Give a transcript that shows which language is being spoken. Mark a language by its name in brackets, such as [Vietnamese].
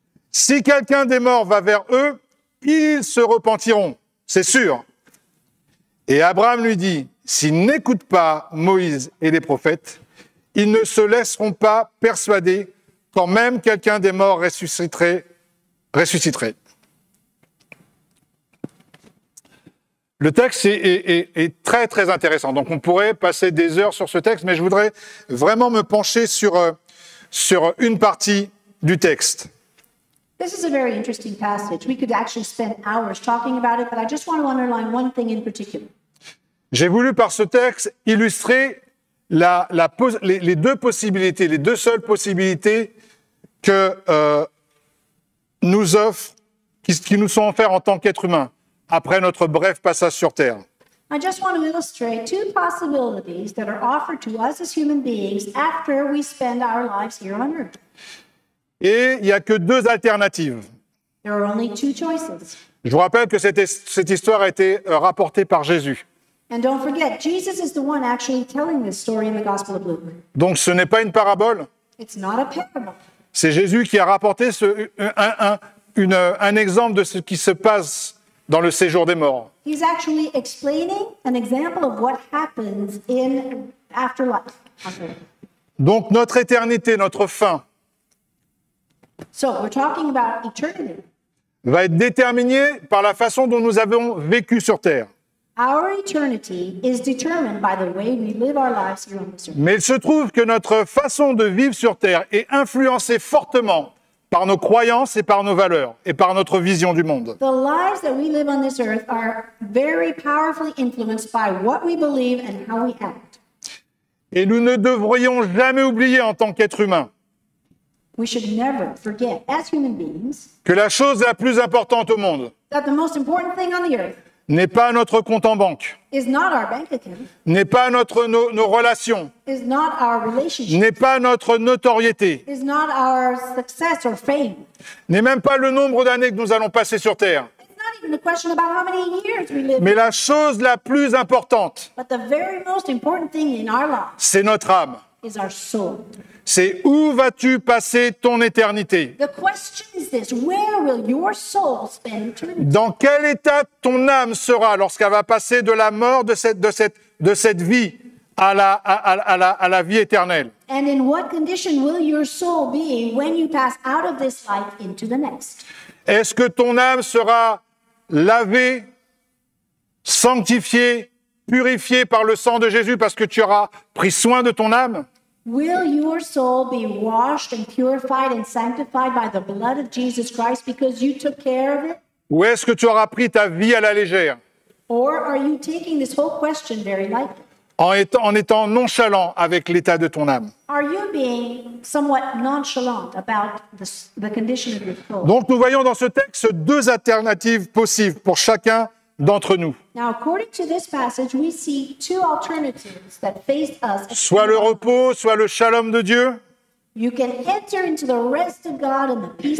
[French] Si quelqu'un des morts va vers eux, ils se repentiront, c'est sûr. » Et Abraham lui dit, « S'ils n'écoutent pas Moïse et les prophètes, ils ne se laisseront pas persuader quand même quelqu'un des morts ressusciterait. » Le texte est très, très intéressant. Donc, on pourrait passer des heures sur ce texte, mais je voudrais vraiment me pencher sur une partie du texte. [English] This is a very interesting passage. We could actually spend hours talking about it, but I just want to underline one thing in particular. [French] J'ai voulu, par ce texte, illustrer les deux seules possibilités que nous offrent, qui nous sont offerts en tant qu'êtres humains, après notre bref passage sur Terre. [English] I just want to illustrate two possibilities that are offered to us as human beings after we spend our lives here on Earth. [French] Et il n'y a que deux alternatives. [English] There are only two choices. [French] Je vous rappelle que cette histoire a été rapportée par Jésus. [English] And don't forget, Jesus is the one actually telling this story in the Gospel of Luke. [French] Donc ce n'est pas une parabole. [English] It's not a parable. [French] C'est Jésus qui a rapporté un exemple de ce qui se passe dans le séjour des morts. [English] He's actually explaining an example of what happens in afterlife. [French] Donc notre éternité, notre fin, [English] so we're talking about eternity, [French] va être déterminée par la façon dont nous avons vécu sur Terre. [English] Our eternity is determined by the way we live our lives here on this earth. [French] Mais il se trouve que notre façon de vivre sur Terre est influencée fortement par nos croyances et par nos valeurs et par notre vision du monde. [English] The lives that we live on this earth are very powerfully influenced by what we believe and how we act. [French] Et nous ne devrions jamais oublier en tant qu'êtres humains. [English] We should never forget, as human beings, [French] que la chose la plus importante au monde, [English] that the most important thing on the earth, [French] n'est pas notre compte en banque, [English] is not our bank account, [French] n'est pas notre nos relations, [English] is not our relationships, [French] n'est pas notre notoriété, [English] is not our success or fame, [French] n'est même pas le nombre d'années que nous allons passer sur Terre. [English] The question about how many years we live. [French] Mais la chose la plus importante, [English] but the very most important thing in our life, [French] c'est notre âme. [English] Is our soul. [French] C'est où vas-tu passer ton éternité? [English] The question is this, where will your soul spend eternity? [French] Dans quel état ton âme sera lorsqu'elle va passer de la mort de cette vie à la vie éternelle? [English] And in what condition will your soul be when you pass out of this life into the next? [French] Est-ce que ton âme sera lavé, sanctifié, purifié par le sang de Jésus parce que tu auras pris soin de ton âme? [English] Will your soul be washed and purified and sanctified by the blood of Jesus Christ because you took care of it? [French] Ou est-ce que tu auras pris ta vie à la légère? [English] Or are you taking this whole question very lightly? [French] En étant nonchalant avec l'état de ton âme. [English] Are you being somewhat nonchalant about the condition of your soul? [French] Donc nous voyons dans ce texte deux alternatives possibles pour chacun d'entre nous. [English] Now, according to this passage, we see two alternatives that face us. [French] Soit le repos, soit le shalom de Dieu. [English] You can enter into the rest of God and the peace.